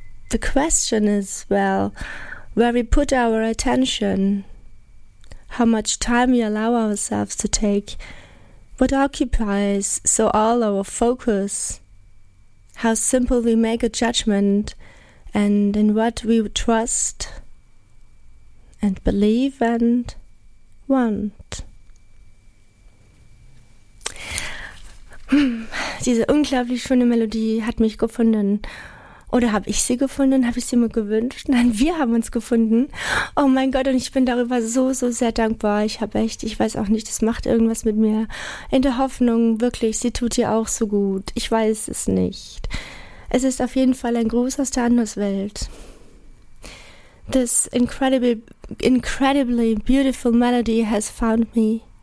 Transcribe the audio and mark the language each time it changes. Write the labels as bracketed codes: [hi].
[en] The question is, well, where we put our attention, how much time we allow ourselves to take, what occupies so all our focus, how simple we make a judgment, and in what we trust and believe and want. [de] Diese unglaublich schöne Melodie hat mich gefunden. Oder habe ich sie gefunden? Habe ich sie mir gewünscht? Nein, wir haben uns gefunden. Oh mein Gott, und ich bin darüber so, so sehr dankbar. Ich habe echt, ich weiß auch nicht, das macht irgendwas mit mir. In der Hoffnung, wirklich, sie tut dir auch so gut. Ich weiß es nicht. Es ist auf jeden Fall ein Gruß aus der Anderswelt. [en] This incredibly beautiful melody has found me.